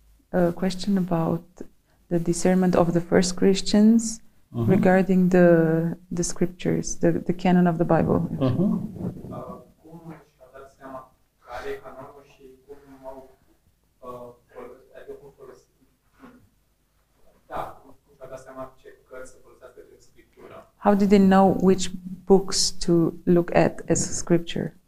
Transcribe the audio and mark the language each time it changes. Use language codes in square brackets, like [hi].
[en] A question about the discernment of the first Christians. Mm-hmm. Regarding the scriptures, the canon of the Bible. [ro] Cum și-a dat seama care e canonul și cum au folosit? Da, cum și-a dat seama ce cărți să folosească de scriptură? [en] How did they know which books to look at as scripture?